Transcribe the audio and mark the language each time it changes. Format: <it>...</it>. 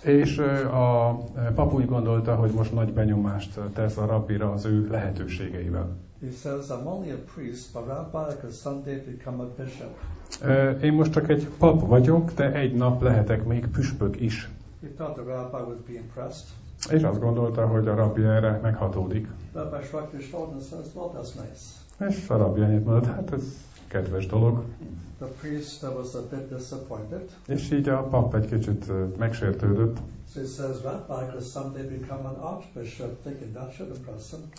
<hu>És a pap úgy gondolta, hogy most nagy benyomást tesz a rabbira az ő lehetőségeivel.</hu> <en>He says, "I'm only a priest, but rabbi could someday become a bishop."</en> <hu>Én most csak egy pap vagyok, de egy nap lehetek még püspök is.</hu> <en>He thought the rabbi would be impressed.</en> <hu>És azt gondolta, hogy a rabbi erre meghatódik.</hu> <en>The rabbi shrugged his shoulders and says, "Well, that's nice."</en> <hu>És a rabbi annyit mondott, hát ez kedves dolog.</hu> <en>The priest was a bit disappointed.</en> <hu>És így a pap egy kicsit megsértődött.</hu> <en>So he says, "Rabbi could someday become an archbishop," thinking that should impress him.</en>